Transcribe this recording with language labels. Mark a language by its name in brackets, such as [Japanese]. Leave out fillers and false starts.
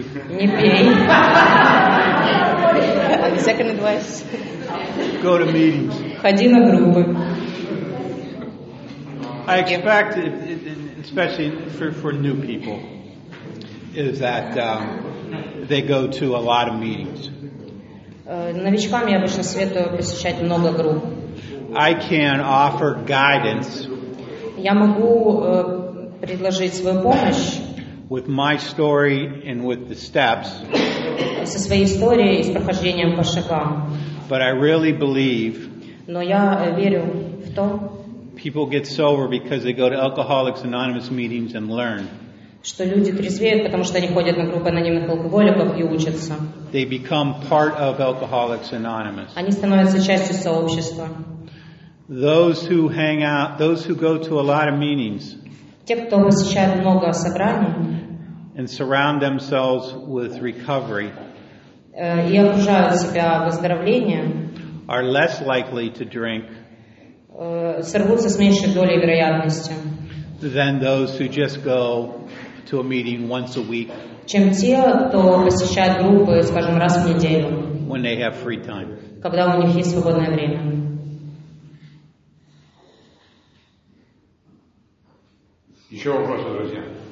[Russian] Не пей. [English] And the second advice? Go to meetings. [Russian] Ходи на группы. [English] I expect, especially for new people, is that they go to a lot of meetings. [Russian] Новичкам я обычно советую посещать много групп. [English] I can offer guidance. [Russian] Я могу предложить свою помощь. [English] With my story and with the steps. [Russian] Со своей историей и с прохождением по шагам. [English] But I really believe. [Russian] Но я верю в то. [English] People get sober because they go to Alcoholics Anonymous meetings and learn. [Russian] Что люди трезвеют, потому что они ходят на группы анонимных алкоголиков и учатся. [English] They become part of Alcoholics Anonymous. [Russian] Они становятся частью сообщества. [English] Those who hang out, those who go to a lot of meetings. [Russian] Те, кто посещает много собраний. [English] And surround themselves with recovery. [Russian] И окружают себя выздоровлением. [English] Are less likely to drink. [Russian] Сорвутся с меньшей долей вероятности. [English] Than those who just go to a meeting once a week. [Russian] Чем те, кто посещает группы, скажем, раз в неделю. [English] When they have free time. [Russian] Когда у них есть свободное время. Еще вопросы, друзья?